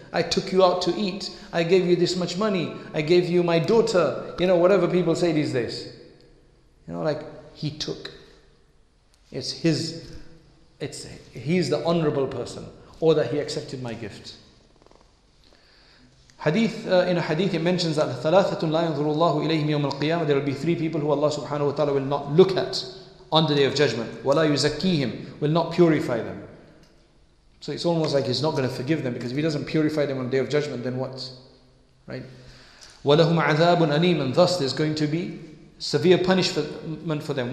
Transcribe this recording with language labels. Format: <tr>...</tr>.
<en>I took you out to eat. I gave you this much money. I gave you my daughter. You know, whatever people say these days. You know, like, he took. He's the honorable person, or that he accepted my gift. In a hadith, it mentions that</en> <ar>ثَلَاثَةٌ لَا يَنْظُرُ اللَّهُ إِلَيْهِمْ يَوْمَ الْقِيَامَةِ.</ar> <en>There will be three people who Allah subhanahu wa ta'ala will not look at on the day of judgment.</en> <ar>وَلَا يُزَكِّيهِمْ.</ar> <en>Will not purify them. So it's almost like he's not going to forgive them, because if he doesn't purify them on the day of judgment, then what? Right?</en> <ar>وَلَهُمْ عَذَابٌ أَلِيمٌ.</ar> <en>Thus there's going to be severe punishment for them.</en>